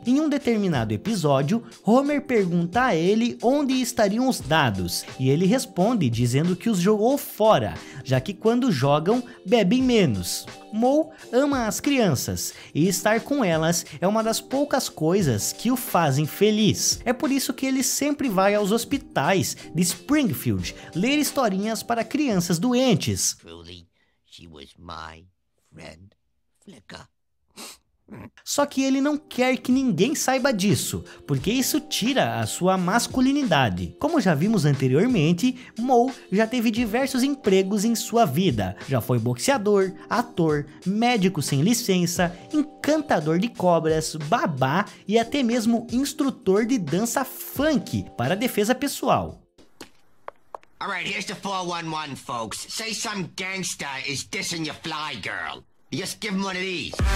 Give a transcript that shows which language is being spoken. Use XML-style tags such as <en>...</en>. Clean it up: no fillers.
<pt>Em um determinado episódio, Homer pergunta a ele onde estariam os dados, e ele responde dizendo que os jogou fora, já que quando jogam, bebem menos. Moe ama as crianças, e estar com elas é uma das poucas coisas que o fazem feliz. É por isso que ele sempre vai aos hospitais de Springfield ler historinhas para crianças doentes.</pt> <en>She was my friend, Flicka.</en> <pt>Só que ele não quer que ninguém saiba disso, porque isso tira a sua masculinidade. Como já vimos anteriormente, Moe já teve diversos empregos em sua vida. Já foi boxeador, ator, médico sem licença, encantador de cobras, babá e até mesmo instrutor de dança funk para defesa pessoal.</pt> <en>All right, here's the 411, folks. Say some gangster is dissing your fly girl. You just give him one of these.</en>